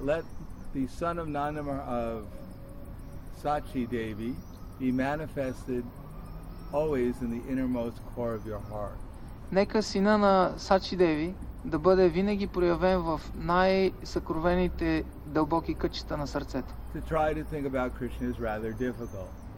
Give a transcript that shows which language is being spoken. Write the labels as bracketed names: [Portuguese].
[English] Let the son of Nandama of Sachi Devi be manifested always in the innermost core of your heart. [Bulgarian] Нека сина на Сачи Деви да бъде винаги проявен в най-съкровените дълбоки кътчета на сърцето. [English] To try to think about Krishna is rather difficult.